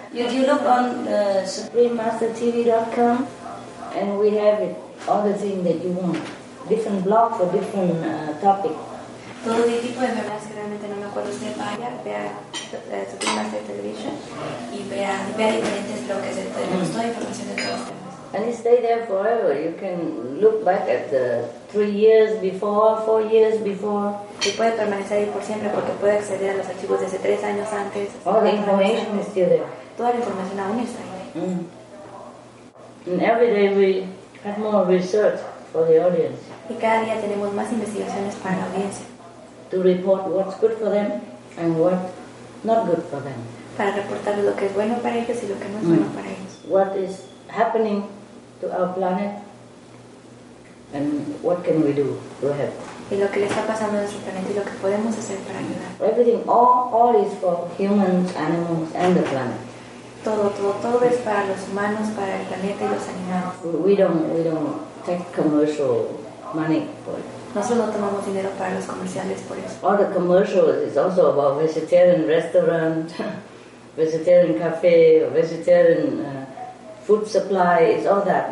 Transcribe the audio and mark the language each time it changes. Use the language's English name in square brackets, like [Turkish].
[English] If you look on SupremeMasterTV.com, and we have it, all the things that you want. Different blog for different topic. [Spanish] Todo el tipo de enfermedades que realmente no me acuerdo usted vaya, vea SupremeMaster Television y vea diferentes bloques de tenemos toda información de todos temas. [English] And you stay there forever. You can look back at 3 years before, 4 years before. [Spanish] Y puede permanecer ahí por siempre porque puede acceder a los archivos desde 3 años antes. [English] All the information is still there. [Spanish] Toda la información aún está ahí. [English] And every day we have more research for the audience. [Spanish] Y cada día tenemos más investigaciones para la audiencia. [English] To report what's good for them and what not good for them. [Spanish] Para reportar lo que es bueno para ellos y lo que no es bueno para ellos. [English] What is happening to our planet and what can we do to help? [Spanish] Y lo que le está pasando a nuestro planeta y lo que podemos hacer para ayudar. [English] Everything, all is for humans, animals and the planet. [Spanish] Todo es para los humanos, para el planeta y los animales. [English] We don't take commercial money for it. [Spanish] Nosotros no tomamos dinero para los comerciales por eso. [English] All the commercials is also about vegetarian restaurant, vegetarian cafe, or vegetarian food supply, it's all that.